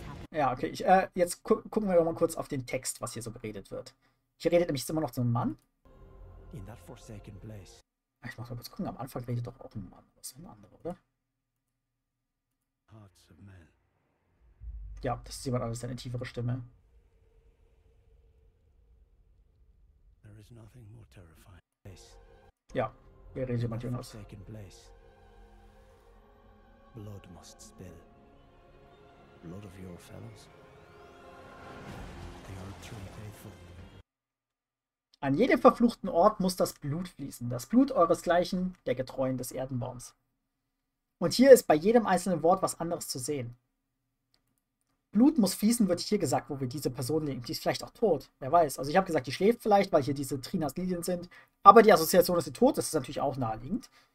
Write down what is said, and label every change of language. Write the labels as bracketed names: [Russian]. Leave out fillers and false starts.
[German] Ja, okay. Jetzt gucken wir mal kurz auf den Text, was hier so geredet wird. Hier redet nämlich immer noch so ein Mann. [English] In that forsaken place. [German] Ich muss mal kurz gucken. Am Anfang redet doch auch ein Mann. Was ist ein anderer, oder? [English] Hearts of men. [German] Ja, das ist jemand anderes, seine tiefere Stimme. [English] There is nothing more terrifying place. [German] Ja, hier redet jemand [English] In that forsaken place. Blood must spill. Blood of your fellows. They are truly faithful. [German] An jedem verfluchten Ort muss das Blut fließen, das Blut euresgleichen, der Getreuen des Erdenbaums. Und hier ist bei jedem einzelnen Wort was anderes zu sehen. Blut muss fließen, wird hier gesagt, wo wir diese Person legen. Die ist vielleicht auch tot, wer weiß. Also ich habe gesagt, die schläft vielleicht, weil hier diese Trinas Lilien sind. Aber die Assoziation, dass sie tot ist, ist natürlich auch naheliegend.